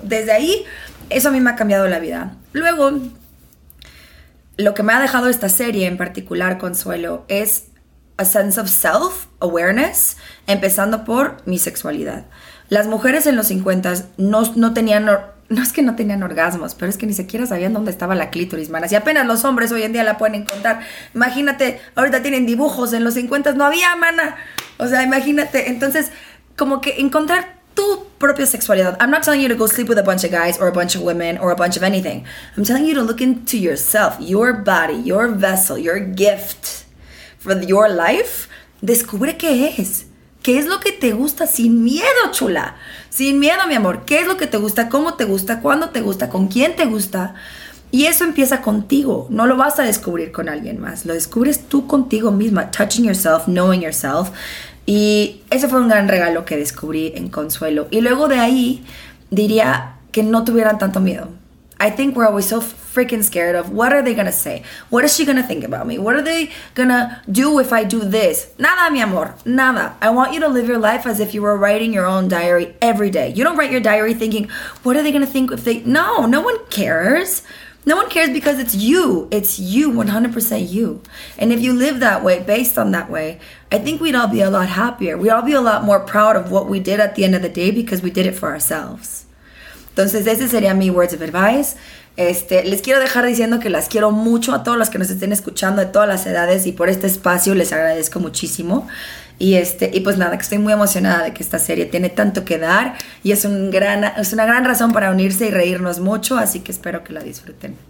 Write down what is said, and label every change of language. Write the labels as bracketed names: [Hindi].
[Spanish] Desde ahí, eso a mí me ha cambiado la vida. Luego, lo que me ha dejado esta serie en particular, Consuelo, es [English] a sense of self-awareness, [Spanish] empezando por mi sexualidad. Las mujeres en los 50 no tenían... No es que no tenían orgasmos, pero es que ni siquiera sabían dónde estaba la clítoris, manas. Y apenas los hombres hoy en día la pueden encontrar. Imagínate, ahorita tienen dibujos, en los 50 no había, mana. O sea, imagínate. Entonces, como que encontrar tu propia sexualidad. [English] I'm not telling you to go sleep with a bunch of guys or a bunch of women or a bunch of anything. I'm telling you to look into yourself, your body, your vessel, your gift for your life. [Spanish] Descubre qué es. ¿Qué es lo que te gusta? Sin miedo, chula. Sin miedo, mi amor. ¿Qué es lo que te gusta? ¿Cómo te gusta? ¿Cuándo te gusta? ¿Con quién te gusta? Y eso empieza contigo. No lo vas a descubrir con alguien más. Lo descubres tú contigo misma. [English] Touching yourself, knowing yourself. [Spanish] Y ese fue un gran regalo que descubrí en Consuelo. Y luego de ahí, diría que no tuvieran tanto miedo. [English] I think we're always so freaking scared of what are they gonna say? What is she gonna think about me? What are they gonna do if I do this? [Spanish] Nada, mi amor, nada. [English] I want you to live your life as if you were writing your own diary every day. You don't write your diary thinking, what are they gonna think if they... No, no one cares. No one cares because it's you. It's you, 100% you. And if you live that way, based on that way, I think we'd all be a lot happier. We'd all be a lot more proud of what we did at the end of the day because we did it for ourselves. [Spanish] Entonces, ese sería mi [English] words of advice. [Spanish] Les quiero dejar diciendo que las quiero mucho a todos los que nos estén escuchando de todas las edades y por este espacio les agradezco muchísimo. Y pues nada, que estoy muy emocionada de que esta serie tiene tanto que dar y es una gran razón para unirse y reírnos mucho, así que espero que la disfruten.